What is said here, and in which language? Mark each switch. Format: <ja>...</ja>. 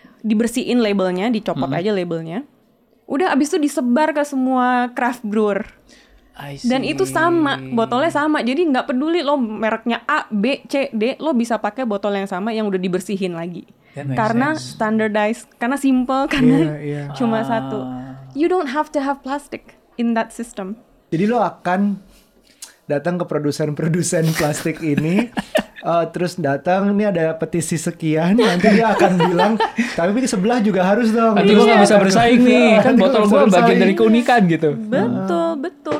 <id>Dibersihin labelnya, dicopot aja labelnya. Udah abis itu disebar ke semua craft brewer. Dan itu sama, botolnya sama. Jadi gak peduli lo mereknya A, B, C, D, lo bisa pakai botol yang sama yang udah dibersihin lagi. Karena standardized, karena simple, karena cuma satu.</id> <en>You don't have to have plastic in that system.</en> <id>Jadi lo akan datang ke produsen-produsen plastik ini, terus datang, ini ada petisi sekian, nanti dia akan bilang, tapi di sebelah juga harus dong. Nanti gue gak bisa bersaing nih, kan botol gue bagian dari keunikan gitu. Betul, betul.</id>